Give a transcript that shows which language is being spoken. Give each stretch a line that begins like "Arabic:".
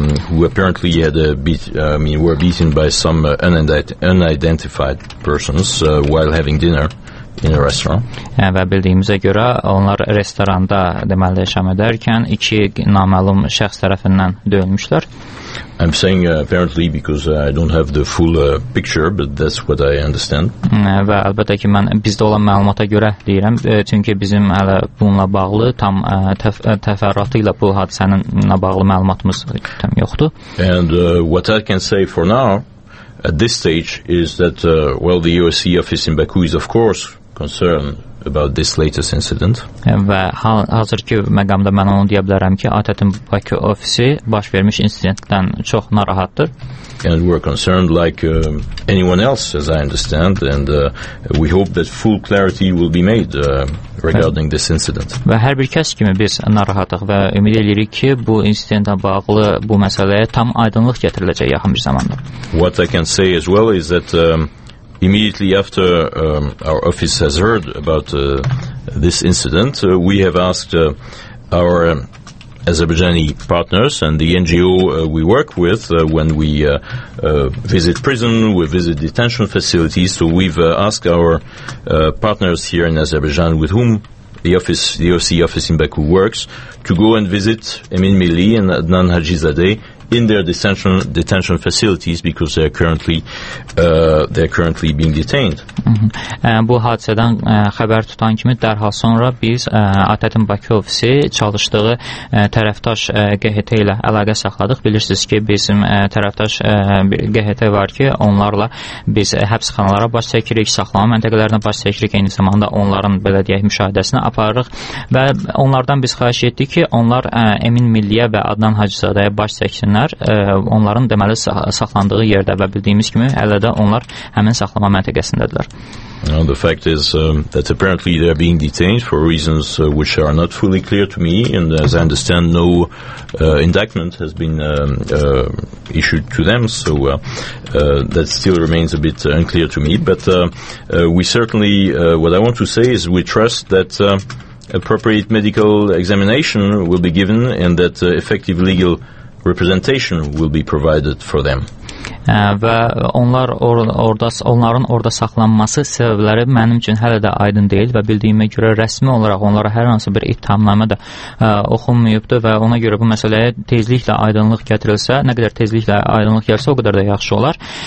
English: Who apparently had were beaten by some unidentified persons while having dinner in a restaurant.
Azerbaijani: Və bildiyimizə görə onlar restoranda deməli şam edərkən iki naməlum şəxs tərəfindən döyülmüşlər.
English: I'm saying apparently because I don't have the full picture, but that's what I understand.
Azerbaijani: Və əlbəttə ki, mən bizdə olan məlumata görə deyirəm, çünki bizim hələ bununla bağlı tam təfərrüatı ilə bu hadisənin bağlı məlumatımız tam yoxdur.
English: And what I can say for now at this stage is that the OSC office in Baku is of course concerned about this latest incident.
Azerbaijani: Və hazır ki məqamda mən onu deyə bilərəm ki, ATƏT-in Bakı ofisi baş vermiş insidentdən çox narahatdır.
English: And we're concerned like anyone else, as I understand, and we hope that full clarity will be made regarding this incident.
Azerbaijani: Və hər bir kəs kimi biz narahatıq və ümid edirik ki, bu insidentlə bağlı bu məsələyə tam aydınlıq gətiriləcək yaxın bir zamanda.
English: What I can say as well is that immediately after our office has heard about this incident, we have asked our Azerbaijani partners and the NGO we work with when we visit prison, we visit detention facilities, so we've asked our partners here in Azerbaijan with whom the office, the OSCE office in Baku works, to go and visit Emin Milli and Adnan Hacizadeh in their detention facilities because they're currently being detained.
Azerbaijani: Bu hadisədən xəbər tutan kimi dərhal sonra biz ATƏT-in Bakı ofisi çalışdığı tərəfdaş QHT ilə əlaqə saxladıq. Bilirsiniz ki, bizim tərəfdaş QHT var ki, onlarla biz həbsxanalara baş çəkirik, saxlama məntəqələrinə baş çəkirik, eyni zamanda onların belə deyək müşahidəsini aparırıq və onlardan biz xahiş etdik ki, onlar Emin Milliyə və Adnan Hacizadəyə baş çəksin. Onların deməli saxlandığı yerdə və bildiyimiz kimi hələ də onlar həmin saxlama məntəqəsindədirlər.
English: The fact is that apparently they are being detained for reasons which are not fully clear to me, and as I understand, no indictment has been issued to them, so that still remains a bit unclear to me, but we certainly what I want to say is we trust that appropriate medical examination will be given and that effective legal representation will be provided for them.
Azerbaijani: Və onlar onların orada saxlanması səbəbləri mənim üçün hələ də aydın deyil və bildiyimə görə rəsmi olaraq onlara hər hansı bir ittihamnamə də oxunmayıbdır və ona görə bu məsələyə tezliklə aydınlıq gətirilsə, nə qədər tezliklə aydınlıq gəlsə o qədər də yaxşı olar.